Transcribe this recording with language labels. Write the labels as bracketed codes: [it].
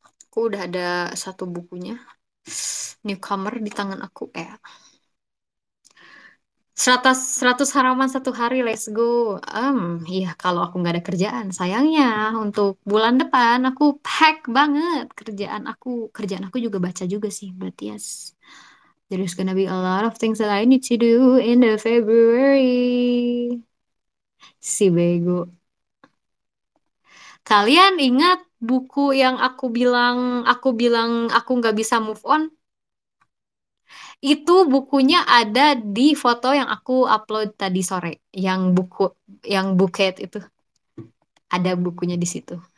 [id] Aku udah ada satu bukunya. Newcomer di tangan aku, ya. 100 halaman satu hari, [en] let's go. [id] Iya, kalau aku nggak ada kerjaan. Sayangnya, untuk bulan depan aku pack banget kerjaan aku. Kerjaan aku juga baca juga sih, berarti yes. [en] There's gonna be a lot of things that I need to do in the February. [id] Si bego. Kalian ingat buku yang aku bilang aku nggak bisa move on? Itu bukunya ada di foto yang aku upload tadi sore, yang buku yang buket itu ada bukunya di situ.